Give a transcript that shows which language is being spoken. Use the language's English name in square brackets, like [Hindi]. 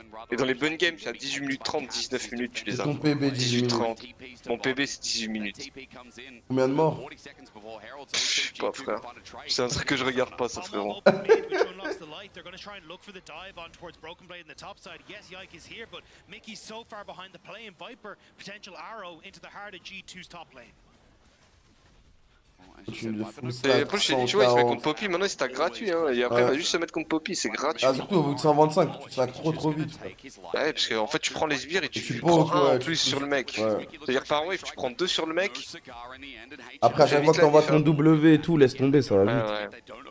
[French] Et dans les bonnes games, c'est à 18 minutes 30, 19 minutes, tu les as. Ton PB, 18 minutes 30. Mon PB, c'est 18 minutes. Combien de morts? Je sais pas, frère. C'est un truc que je regarde pas, ça, frérot. [English] the light. They're going to try and look for the dive on towards Broken Blade in the top side. Yes, Yike is here, but Mickey's so far behind the play, and Viper potential arrow into the heart of G2's top lane. [French] Push, j'ai dit, tu vois, il se met contre Poppy. Maintenant, c'est gratuit. Hein. Et après, il va juste se mettre contre Poppy. C'est gratuit. Ah, surtout au bout de 125, tu sacs trop trop vite. Ouais, parce qu'en fait, tu prends les sbires et tu prends un en plus sur le mec. C'est-à-dire, par wave, tu prends deux sur le mec. Après, à chaque fois que t'envoies ton W et tout, laisse tomber, ça va vite.